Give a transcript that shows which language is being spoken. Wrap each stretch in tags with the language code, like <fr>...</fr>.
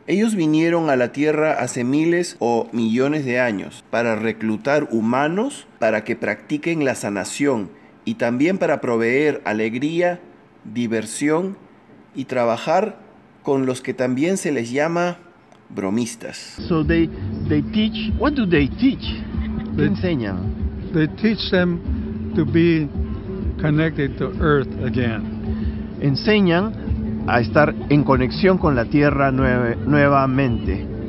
<es>Ellos vinieron a la Tierra hace miles o millones de años para reclutar humanos para que practiquen la sanación y también para proveer alegría, diversión y trabajar con los que también se les llama bromistas.</es> <en>So they teach, what do they teach?</en> <es>¿Qué enseñan?</es> <en>They teach them to be connected to Earth again.</en> <es>Enseñan a estar en conexión con la Tierra nuevamente.</es>